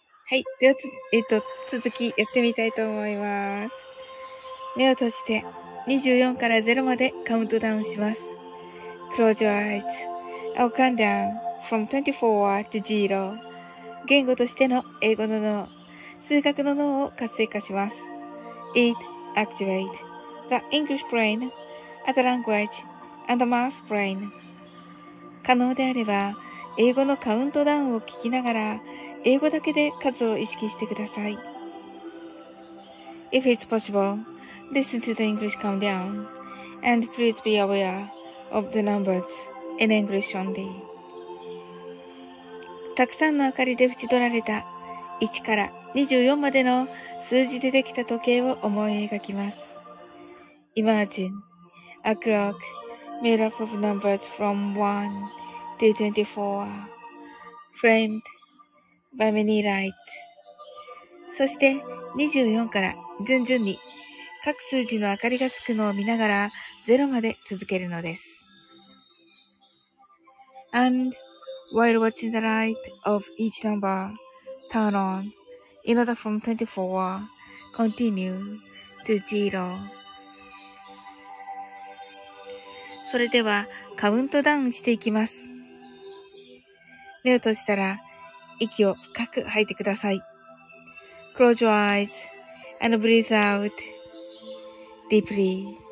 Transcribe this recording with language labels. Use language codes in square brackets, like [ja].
[ja] はい。では、続きやってみたいと思います。目を閉じて、24から0までカウントダウンします。 [en] Close your eyes. I'll calm down. From 24 to 0. [ja] 言語としての英語の脳、数学の脳を活性化します。 [en] It activates the English brain, as a language, and math brain. [ja] 可能であれば、英語のカウントダウンを聞きながら、英語だけで数を意識してください。 [en] If it's possible, listen to the English countdown, and please be aware of the numbers in English only. [ja] たくさんの明かりで縁取られた1から24までの数字でできた時計を思い描きます。 [en] Imagine a clock made up of numbers from 1 to 24, framed by many lights. [ja] そして24から順々に各数字の明かりがつくのを見ながら0まで続けるのです。 [en] AndWhile watching the light of each number turn on, in order from 24, continue to zero. [ja] それでは、カウントダウンしていきます。目を閉じたら、息を深く吐いてください。 [en] Close your eyes and breathe out deeply.